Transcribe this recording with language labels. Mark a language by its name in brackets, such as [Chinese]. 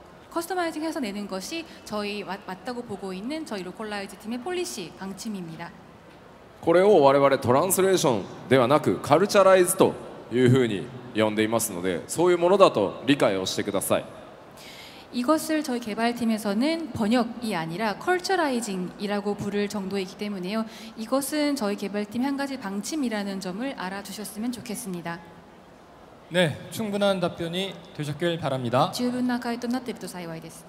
[Korean] 커스터마이징해서 내는 것이 저희 맞다고 보고 있는 저희 로컬라이즈 팀의 폴리시 방침입니다. [Japanese] これを我々トランスレーションではなくカルチャライズというふうに呼んでいますので、そういうものだと理解をしてください。 [Korean] 이것을 저희 개발팀에서는 번역이 아니라 컬처라이징이라고 부를 정도이기 때문에요. 이것은 저희 개발팀 한 가지 방침이라는 점을 알아두셨으면 좋겠습니다. 네, 충분한 답변이 되셨길 바랍니다. 충분한 답변이었다면 [Japanese] 幸いです.